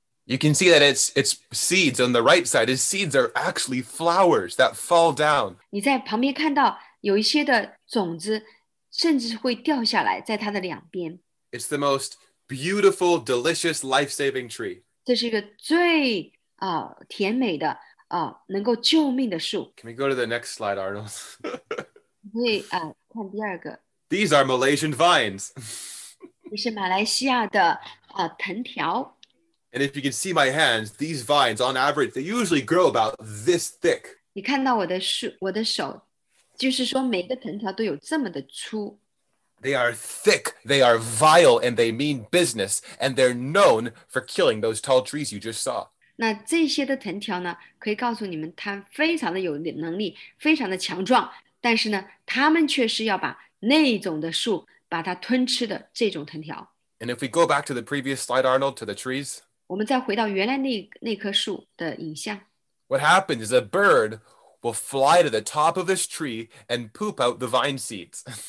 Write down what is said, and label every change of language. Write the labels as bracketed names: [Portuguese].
[English] You can see that it's seeds on the right side. Its seeds are actually flowers that fall down. [Chinese] 你在旁边看到有一些的种子甚至会掉下来在它的两边。 [English] It's the most beautiful, delicious, life-saving tree. [Chinese] 这是一个最甜美的能够救命的树。 [English] Can we go to the next slide, Arnold? [Chinese] 可以看第二个。 [English] These are Malaysian vines. [Chinese] 这是马来西亚的, 藤条。 [English] And if you can see my hands, these vines, on average, they usually grow about this thick. [Chinese] 你看到我的手,就是说每个藤条都有这么的粗。 [English] They are thick, they are vile, and they mean business, and they're known for killing those tall trees you just saw. [Chinese] 那这些的藤条呢,可以告诉你们它非常的有能力,非常的强壮,但是呢,它们却是要把那种的树,把它吞吃的这种藤条。 [English] And if we go back to the previous slide, Arnold, to the trees, [Chinese] 我们再回到原来那棵树的影像, [English] what happens is a bird will fly to the top of this tree and poop out the vine seeds.